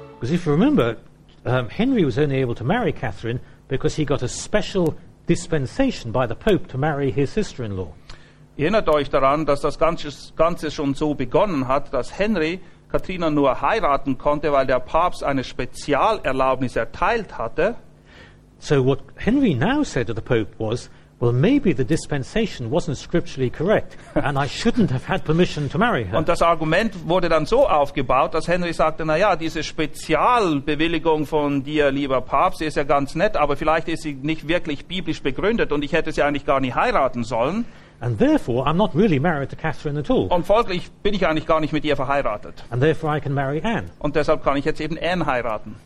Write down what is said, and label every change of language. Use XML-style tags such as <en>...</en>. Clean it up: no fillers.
<en>If you remember, Henry was only able to marry Catherine because he got a special dispensation by the Pope to marry his sister-in-law.</en> <de>Erinnert euch daran, dass das Ganze schon so begonnen hat, dass Henry Katharina nur heiraten konnte, weil der Papst eine Spezialerlaubnis erteilt hatte.</de> <en>So what Henry now said to the Pope was, well, maybe the dispensation wasn't scripturally correct, and I shouldn't have had permission to marry her.</en> <de>Und das Argument wurde dann so aufgebaut, dass Henry sagte, na ja, diese Spezialbewilligung von dir, lieber Papst, ist ja ganz nett, aber vielleicht ist sie nicht wirklich biblisch begründet und ich hätte sie eigentlich gar nicht heiraten sollen.</de> <en>And therefore I'm not really married to Catherine at all.</en> <de>Und folglich bin ich eigentlich gar nicht mit ihr verheiratet.</de> <en>And therefore I can marry Anne.</en> <de>Und deshalb kann ich jetzt eben Anne heiraten.</de>